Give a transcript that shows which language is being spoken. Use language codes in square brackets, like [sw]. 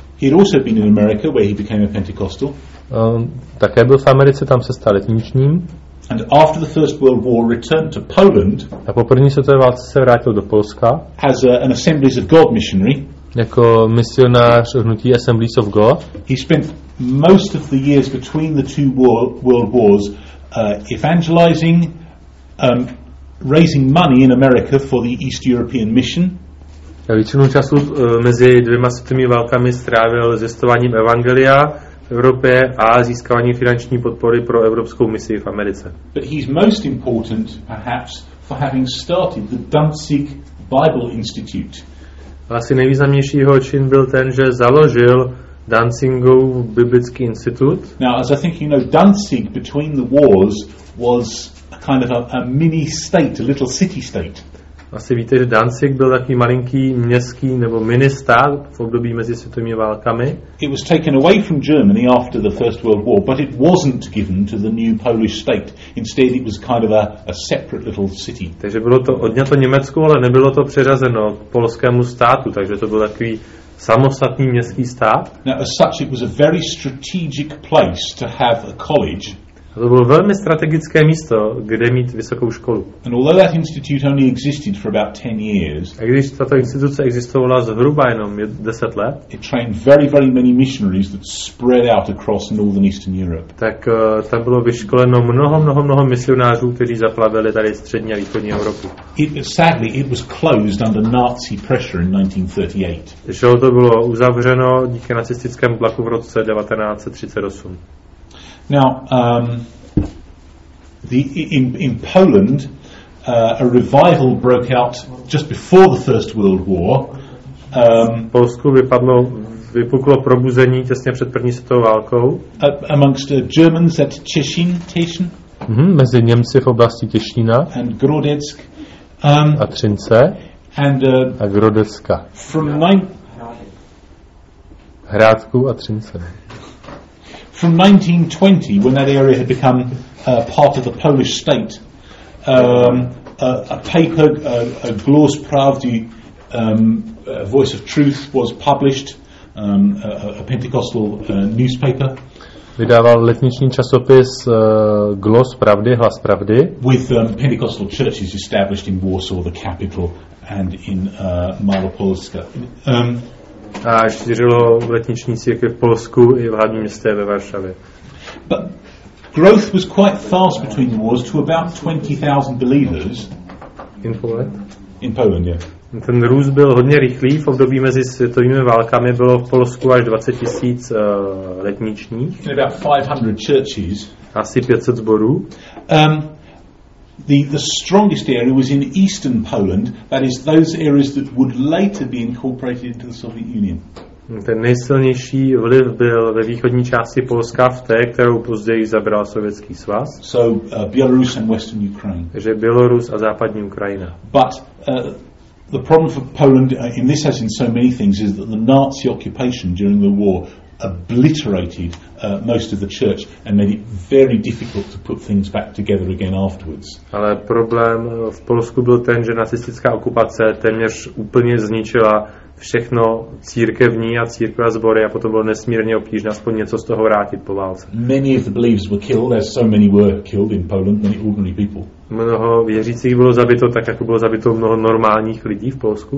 [en] He had also been in America, where he became a Pentecostal. [cs] Také byl v Americe, tam se stal letničním. [en] And after the First World War returned to Poland. [cs] A po první světové válce se vrátil do Polska. [en] As an Assemblies of God missionary. [cs] Jako misionář hnutí Assemblies of God. [en] He spent most of the years between the two world wars evangelizing, raising money in America for the East European mission. [cs] A většinu času mezi dvěma světovými válkami strávil zjistováním evangelia v Evropě a získávání finanční podpory pro evropskou misi v Americe. [en] But he's most important perhaps for having started the Danzig Bible Institute. [cs] Asi nejvýznamnější jeho čin byl ten, že založil Danzigův biblický institut. [en] Now, as I think you know, Danzig between the wars was a kind of a mini state, a little city state. [cs] Asi víte, že Danzig byl takový malinký městský nebo mini stát v období mezi světovými válkami. [en] It was taken away from Germany after the First World War, but it wasn't given to the new Polish state. Instead it was kind of a separate little city. [cs] Takže bylo to odňato Německu, ale nebylo to přeřazeno k polskému státu, takže to byl takový samostatný městský stát. [en] Now, as such, it was a very strategic place to have a college. [cs] A to bylo velmi strategické místo, kde mít vysokou školu. [en] And although that institute only existed for about 10 years, [cs] a když tato instituce existovala zhruba jenom 10 let, [en] it trained very, very many missionaries that spread out across northern eastern Europe. [cs] Tak tam bylo vyškoleno mnoho misionářů, kteří zaplavili tady střední a východní Evropu. [en] Sadly, it was closed under Nazi pressure in 1938. [cs] To bylo uzavřeno díky nacistickému tlaku v roce 1938. [en] Now, in Poland, a revival broke out just before the First World War. [cs] Polsku vypuklo probuzení těsně před první světovou válkou. [en] Amongst Germans at Cieszyn. [cs] Mezi Němci v oblasti Těšína. [en] And Grodeck. [cs] A Třince. [en] And [cs] a Grodecka. [en] From nine. [cs] Hrádku a Třince. [en] From 1920, when that area had become part of the Polish state, a paper, a Głos Prawdy, Voice of Truth, was published, a Pentecostal newspaper. [cs] Vydával letniční časopis Głos Prawdy, Hlas Pravdy. [en] With Pentecostal churches established in Warsaw, the capital, and in Małopolska. [cs] A šířilo letniční církev v Polsku i v hlavním městě ve Varšavě. [en] But growth was quite fast between the wars to about 20,000 believers. In Poland? In Poland, yeah. [cs] Ten růst byl hodně rychlý, v období mezi světovými válkami bylo v Polsku až 20 000 letničních. [en] In about 500 churches. [cs] Asi 500 zborů. [en] The strongest area was in eastern Poland, that is those areas that would later be incorporated into the Soviet Union. [cs] Ten nejsilnější vliv byl ve východní části Polska, v té, kterou později zabral Sovětský svaz. [en] So Belarus and western Ukraine. [cs] Takže Bělorus a západní Ukrajina. [en] But the problem for Poland in this as in so many things is that the Nazi occupation during the war obliterated most of the church and made it very difficult to put things back together again afterwards. [cs] Ale problém v Polsku byl ten, že nacistická okupace téměř úplně zničila všechno církevní a církve a sbory a potom bylo nesmírně obtížné aspoň něco z toho vrátit po válce. [en] Many of the believers were killed, as so many were killed in Poland, many ordinary people. [cs] Mnoho věřících bylo zabito, tak jako bylo zabito mnoho normálních lidí v Polsku.